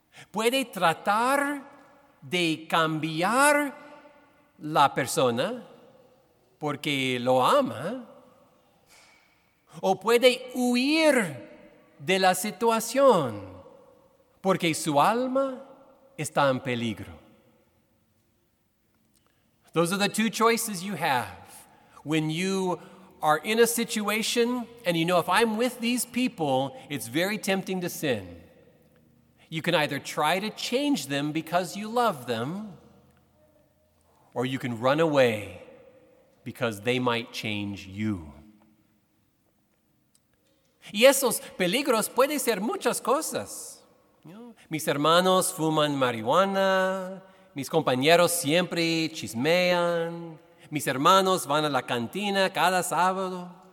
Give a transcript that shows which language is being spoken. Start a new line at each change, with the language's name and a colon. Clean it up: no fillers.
Spanish: Puede tratar de cambiar la persona porque lo ama. O puede huir de la situación porque su alma está en peligro.
English: Those are the two choices you have when you are in a situation and you know, if I'm with these people, it's very tempting to sin. You can either try to change them because you love them, or you can run away because they might change you.
Spanish: Y esos peligros pueden ser muchas cosas. Mis hermanos fuman marihuana, mis compañeros siempre chismean, mis hermanos van a la cantina cada sábado.